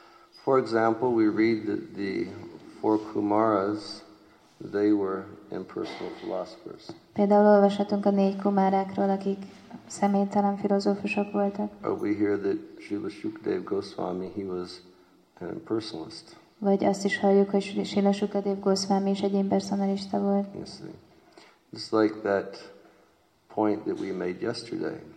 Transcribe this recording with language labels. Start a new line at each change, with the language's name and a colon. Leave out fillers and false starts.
English: For example, we read that the four Kumaras, they were impersonal philosophers.
Hungarian: Például olvashatunk a négy kumárákról, akik személytelen filozófusok voltak.
English: Or we hear that Srila Shukadev Goswami, he was an impersonalist.
Hungarian: Vagy azt is halljuk, hogy Srila Shukadev Goswami is egy impersonalista volt.
English: It's like that point that we made yesterday.